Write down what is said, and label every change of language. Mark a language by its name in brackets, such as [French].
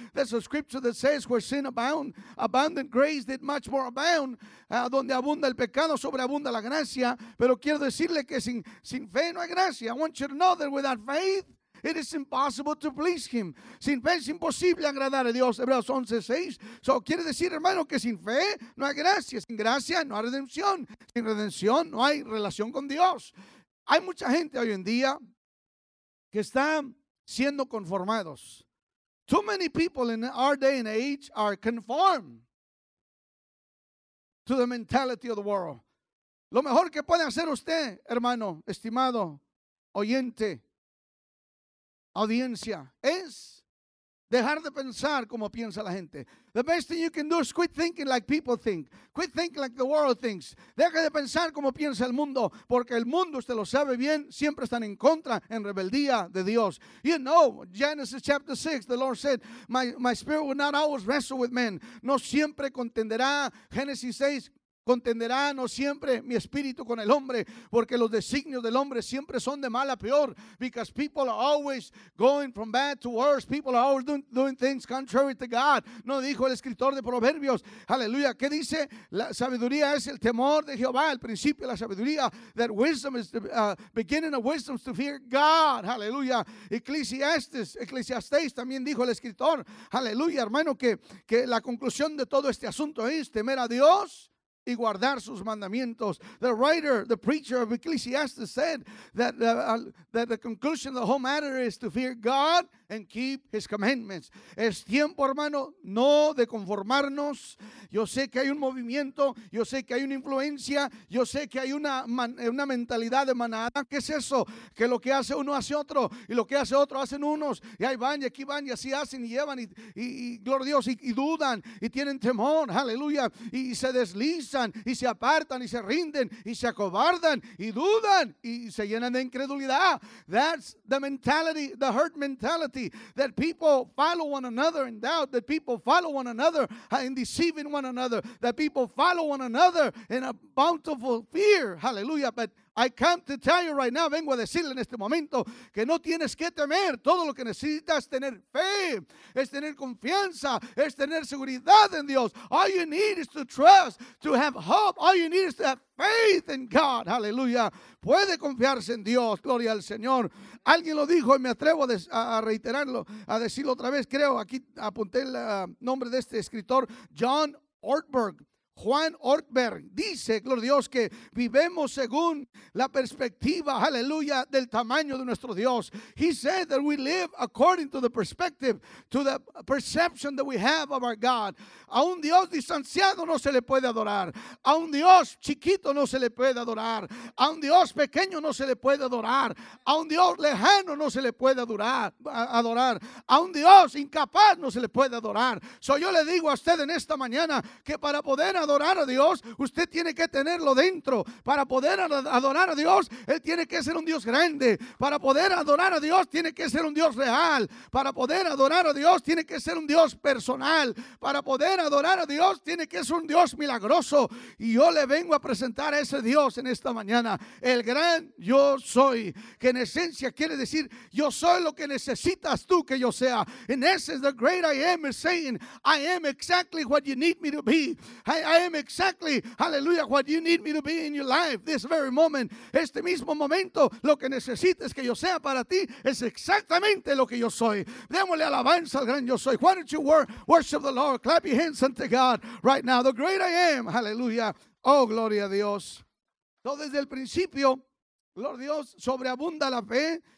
[English] There's a scripture that says, where sin abound, abundant grace did much more abound. [Spanish] Donde abunda el pecado, sobreabunda la gracia. Pero quiero decirle que sin fe no hay gracia. [English] I want you to know that without faith, it is impossible to please him. [Spanish] Sin fe es imposible agradar a Dios. Hebreos 11:6. So quiere decir, hermano, que sin fe no hay gracia. Sin gracia no hay redención. Sin redención no hay relación con Dios. Hay mucha gente hoy en día que está siendo conformados. [English] Too many people in our day and age are conformed to the mentality of the world. [Spanish] Lo mejor que puede hacer usted, hermano, estimado oyente, audiencia, es dejar de pensar como piensa la gente. [English] The best thing you can do is quit thinking like people think. Quit thinking like the world thinks. [Spanish] Deja de pensar como piensa el mundo, porque el mundo, usted lo sabe bien, siempre están en contra, en rebeldía de Dios. [English] You know, Genesis chapter 6, the Lord said, my spirit will not always wrestle with men. [Spanish] No siempre contenderá. Genesis 6, contenderá no siempre mi espíritu con el hombre, porque los designios del hombre siempre son de mal a peor. [English] Because people are always going from bad to worse. People are always doing things contrary to God. [Spanish] No dijo el escritor de Proverbios. Aleluya. ¿Qué dice? La sabiduría es el temor de Jehová, el principio de la sabiduría. [English] That wisdom is the beginning of wisdom to fear God. [Spanish] Aleluya. Eclesiastes también dijo el escritor. Aleluya, hermano, que la conclusión de todo este asunto es temer a Dios y guardar sus mandamientos. [English] The writer, the preacher of Ecclesiastes said that the conclusion of the whole matter is to fear God and keep his commandments. [Spanish] Es tiempo, hermano, no de conformarnos. Yo sé que hay un movimiento, yo sé que hay una influencia, yo sé que hay una mentalidad de manada. ¿Qué es eso? Que lo que hace uno hace otro, y lo que hace otro hacen unos, y ahí van, y aquí van, y así hacen, y llevan, y gloria a Dios, y dudan, y tienen temor, aleluya, y se deslizan, y se apartan, y se rinden, y se acobardan, y dudan, y se llenan de incredulidad. [English] That's the mentality, the hurt mentality. That people follow one another in doubt, that people follow one another in deceiving one another, that people follow one another in a bountiful fear. Hallelujah. But I come to tell you right now, [Spanish] vengo a decirle en este momento, que no tienes que temer. Todo lo que necesitas es tener fe, es tener confianza, es tener seguridad en Dios. [English] All you need is to trust, to have hope. All you need is to have faith in God. [Spanish] Hallelujah. Puede confiarse en Dios. Gloria al Señor. Alguien lo dijo y me atrevo a reiterarlo, a decirlo otra vez. Creo, aquí apunté el nombre de este escritor, John Ortberg. Juan Ortberg dice, gloria a Dios, que vivemos según la perspectiva, aleluya, del tamaño de nuestro Dios. He said that we live according to the perspective, to the perception that we have of our God. A un Dios distanciado no se le puede adorar. A un Dios chiquito no se le puede adorar. A un Dios pequeño no se le puede adorar. A un Dios lejano no se le puede adorar. A un Dios incapaz no se le puede adorar. So yo le digo a usted en esta mañana que para poder adorar a Dios, usted tiene que tenerlo dentro. Para poder adorar a Dios, él tiene que ser un Dios grande. Para poder adorar a Dios, tiene que ser un Dios real. Para poder adorar a Dios, tiene que ser un Dios personal. Para poder adorar a Dios, tiene que ser un Dios milagroso. Y yo le vengo a presentar a ese Dios en esta mañana, el gran yo soy, que en esencia quiere decir, yo soy lo que necesitas tú que yo sea. [English] In essence, the great I am is saying, I am exactly what you need me to be. I am exactly, hallelujah, what you need me to be in your life, this very moment. [Spanish] Este mismo momento, lo que necesites que yo sea para ti, es exactamente lo que yo soy. Démosle alabanza al gran yo soy. [English] Why don't you worship the Lord? Clap your hands unto God right now. The great I am, hallelujah. [Spanish] Oh, gloria a Dios. Entonces, desde el principio, gloria a Dios, sobreabunda la fe.